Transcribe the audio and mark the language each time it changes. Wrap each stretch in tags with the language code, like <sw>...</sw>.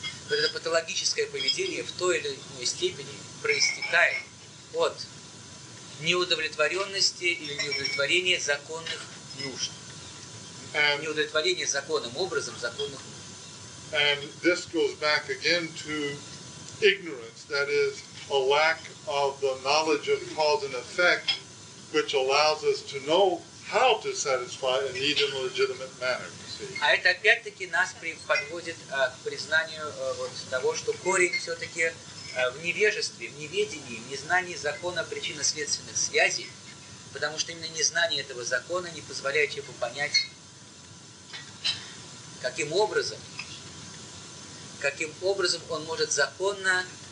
<ru>Это патологическое поведение в той или иной степени проистекает от неудовлетворенности или неудовлетворения законных нужд. Неудовлетворения законным образом законных нужд.</ru> <en>And this goes back again to ignorance, that is, a lack of the knowledge of cause and effect, which allows us to know how to satisfy a need in a legitimate manner.</en> <ru>А это опять-таки нас подводит к признанию того, что корень все-таки в невежестве, в неведении, в незнании закона причинно-следственных связей, потому что именно незнание этого закона не позволяет человеку понять, каким образом он может законно</ru>